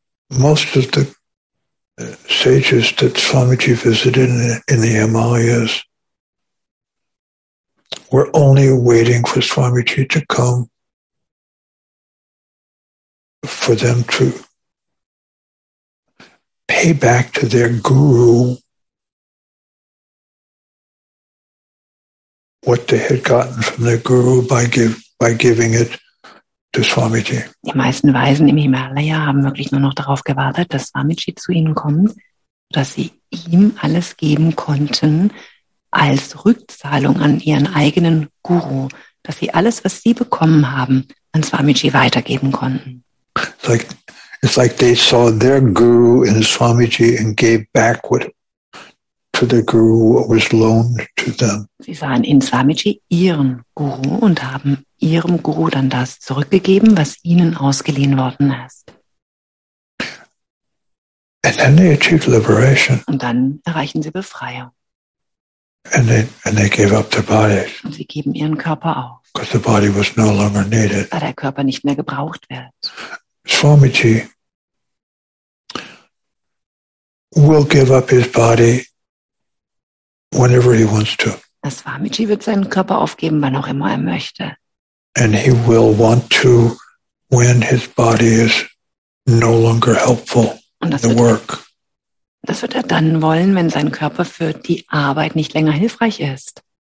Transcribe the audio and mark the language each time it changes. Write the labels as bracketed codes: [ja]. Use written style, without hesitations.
[en] Most of the sages that Swamiji visited in the Himalayas were only waiting for Swamiji to come for them to pay back to their guru what they had gotten from their guru by giving it. [de] Die meisten Weisen im Himalaya haben wirklich nur noch darauf gewartet, dass Swamiji zu ihnen kommt, dass sie ihm alles geben konnten als Rückzahlung an ihren eigenen Guru, dass sie alles, was sie bekommen haben, an Swamiji weitergeben konnten. [en] It's like they saw their guru in Swamiji and gave back what to the guru what was loaned to them. [de] Sie sahen in Swamiji ihren Guru und haben ihrem Guru dann das zurückgegeben, was ihnen ausgeliehen worden ist. [en] And then they achieved liberation. [de] Und dann erreichen sie Befreiung. [en] And they gave up their bodies. [de] Und sie geben ihren Körper auf. [en] Because the body was no longer needed. [de] Weil der Körper nicht mehr gebraucht wird. [en] Swamiji will give up his body whenever he wants to. [de] Swamiji wird seinen Körper aufgeben, wann auch immer er möchte. [en] And he will want to, when his body is no longer helpful in the work. [de] Das wird er dann wollen, wenn sein Körper für die Arbeit nicht länger hilfreich ist.